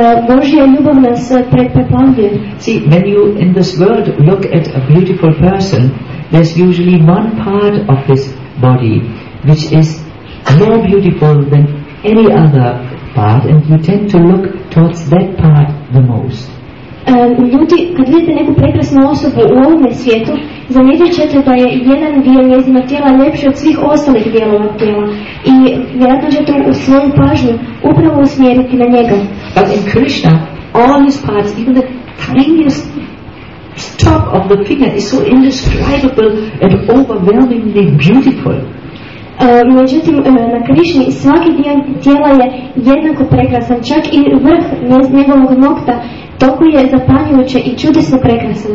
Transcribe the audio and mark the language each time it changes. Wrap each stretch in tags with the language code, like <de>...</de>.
<hr>Božja ljubav nas preplavljuje.</hr> <en>See, when you in this world look at a beautiful person, there's usually one part of his body which is more beautiful than any other part, and you tend to look towards that part the most.</en> <hr>Ljudi, kad vidite neku prekrasnu osobu u ovome svijetu, zamijetit ćete da je jedan dio njezina tijela ljepši od svih ostalih dijelova tijela. I vjerojatno ćete u svoju pažnju upravo usmjeriti na njega.</hr> <en>But in Krishna, all his parts, even the tiniest stalk of the finger is so indescribable and overwhelmingly beautiful.</en> <hr>Međutim, na Krišni svaki dio tijela je jednako prekrasan, čak i vrh njegovog nokta toku je zapanjujuće i čudesno prekrasan.</hr>